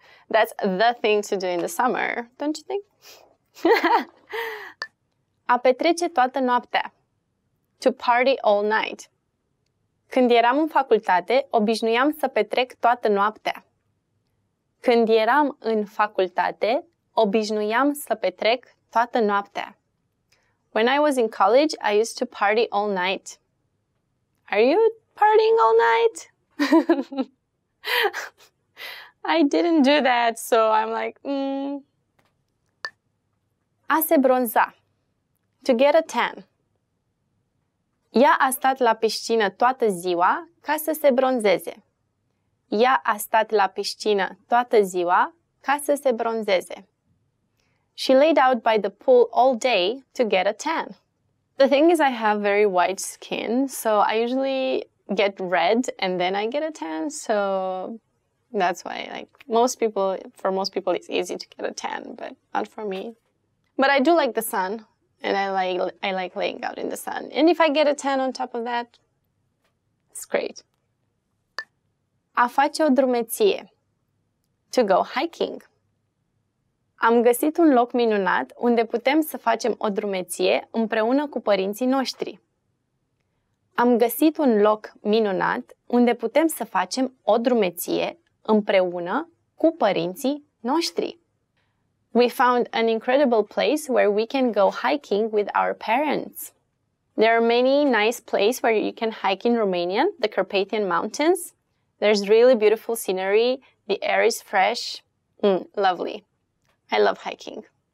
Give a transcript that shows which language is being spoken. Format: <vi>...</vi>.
<en>That's the thing to do in the summer, don't you think?</en> <ro>A petrece toată noaptea.</ro> <en>To party all night.</en> <ro>Când eram în facultate, obișnuiam să petrec toată noaptea. Când eram în facultate, obișnuiam să petrec toată noaptea.</ro> <en>When I was in college, I used to party all night. Are you partying all night? I didn't do that, so I'm like,</en> <ro>A se bronza.</ro> <en>To get a tan.</en> <ro>Ea a stat la piscină toată ziua ca să se bronzeze. Ea a stat la piscină toată ziua ca să se bronzeze.</ro> <en>She laid out by the pool all day to get a tan. The thing is, I have very white skin, so I usually get red and then I get a tan. So that's why, like, for most people, it's easy to get a tan, but not for me. But I do like the sun. And I like laying out in the sun. And if I get a tan on top of that, it's great.</en> <ro>A face o drumeție.</ro> <en>To go hiking.</en> <ro>Am găsit un loc minunat unde putem să facem o drumeție împreună cu părinții noștri. Am găsit un loc minunat unde putem să facem o drumeție împreună cu părinții noștri.</ro> <en>We found an incredible place where we can go hiking with our parents. There are many nice places where you can hike in Romania, the Carpathian Mountains. There's really beautiful scenery. The air is fresh. Lovely. I love hiking.</en>